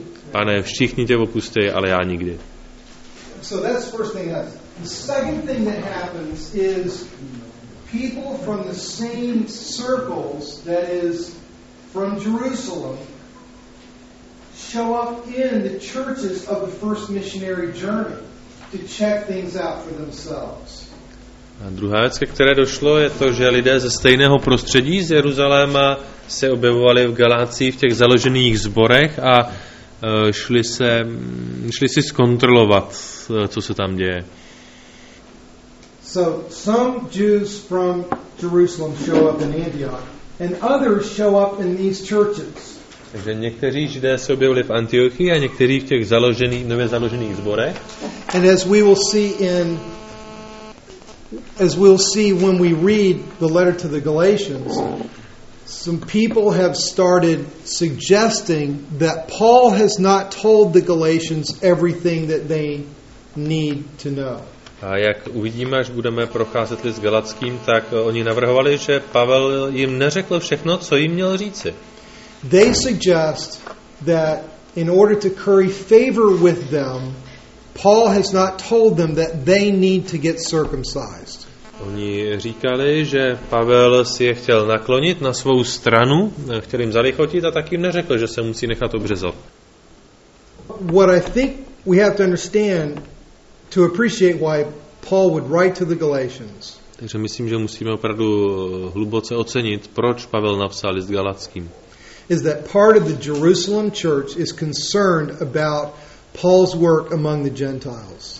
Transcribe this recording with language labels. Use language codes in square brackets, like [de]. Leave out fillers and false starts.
[cs] Pane, všichni tě opustí, ale já nikdy. [en] So that's the first thing that happens. The second thing that happens is people from the same circles, that is from Jerusalem, show up in the churches of the first missionary journey to check things out for themselves. [cs] A druhá věc, ke které došlo, je to, že lidé ze stejného prostředí z Jeruzaléma se objevovali v Galácii v těch založených zborech a šli si zkontrolovat, co se tam děje. [en] So some Jews from Jerusalem show up in Antioch and others show up in these churches. [cs] Takže někteří Židé se objevili v Antiochii a někteří v těch nově založených zborech. [en] And as we will see in as we'll see when we read the letter to the Galatians, some people have started suggesting that Paul has not told the Galatians everything that they need to know. [cs] A jak uvidíme, až budeme procházet list Galackým, tak oni navrhovali, že Pavel jim neřekl všechno, co jim měl říci. [en] They suggest that in order to curry favor with them, Paul has not told them that they need to get circumcised. [cs] Oni říkali, že Pavel si je chtěl naklonit na svou stranu, chtěl jim zarychotit a tak jim neřekl, že se musí nechat obřezat. [en] What I think we have to understand to appreciate why Paul would write to the Galatians. [cs] Takže myslím, že musíme opravdu hluboce ocenit, proč Pavel napsal list Galackým. [en] Is that part of the Jerusalem church is concerned about Paul's work among the Gentiles.